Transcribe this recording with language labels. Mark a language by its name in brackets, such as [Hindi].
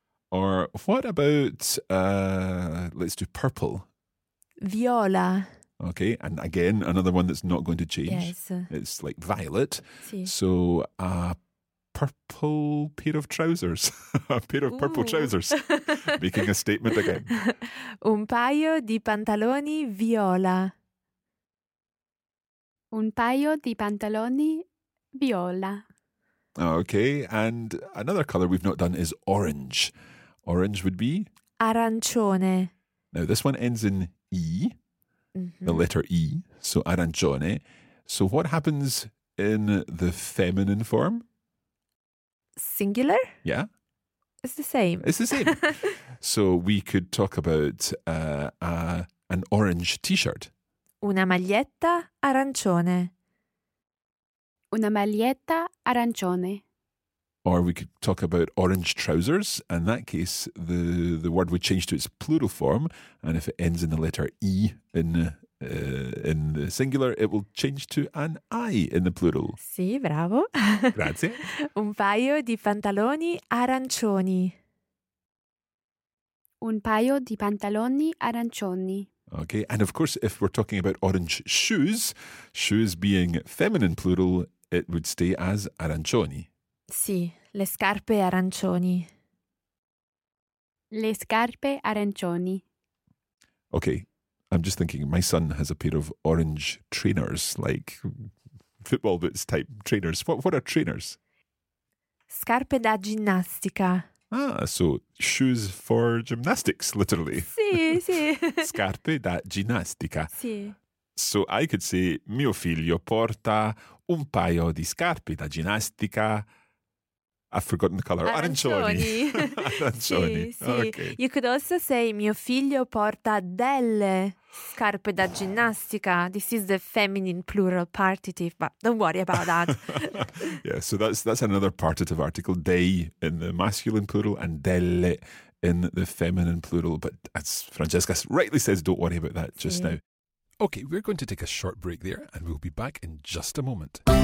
[English] Or what about, let's do purple. [Italian] Viola. [English] Okay, and again, another one that's not going to change. Yes. It's like violet. [Italian] Si. [English] So a purple pair of trousers. A pair of purple trousers. Making a statement again. [Italian] Un paio di pantaloni viola. Un paio di pantaloni viola. [English] Okay, and another colour we've not done is orange. Orange would be? [Italian] Arancione. [English] Now this one ends in E, the letter E, so arancione. So what happens in the feminine form? Singular? Yeah. It's the same. It's the same. So we could talk about an orange t-shirt. [Italian] Una maglietta arancione. Una maglietta arancione. [English] Or we could talk about orange trousers. In that case, the word would change to its plural form. And if it ends in the letter E in the singular, it will change to an I in the plural. [Italian] Sì, bravo. Grazie. Un paio di pantaloni arancioni. Un paio di pantaloni arancioni. [English] Okay, and of course, if we're talking about orange shoes, shoes being feminine plural, it would stay as arancioni. [Italian] Sì, le scarpe arancioni. Le scarpe arancioni. [English] Okay, I'm just thinking my son has a pair of orange trainers, like football boots type trainers. What are trainers? [Italian] Scarpe da ginnastica. [English] Ah, so shoes for gymnastics, literally. [Italian] Sì, sì. Scarpe da ginnastica. Sì. [English] So I could say, [Italian] mio figlio porta un paio di scarpe da ginnastica [English] I've forgotten the color. [Italian] Arancioni. Arancioni. Sì, sì. Okay. [English] You could also say [Italian] mio figlio porta delle scarpe da ginnastica. [English] This is the feminine plural partitive, but don't worry about that. Yeah, so that's another partitive article, dei in the masculine plural and delle in the feminine plural. But as Francesca rightly says, don't worry about that just now. Okay, we're going to take a short break there and we'll be back in just a moment.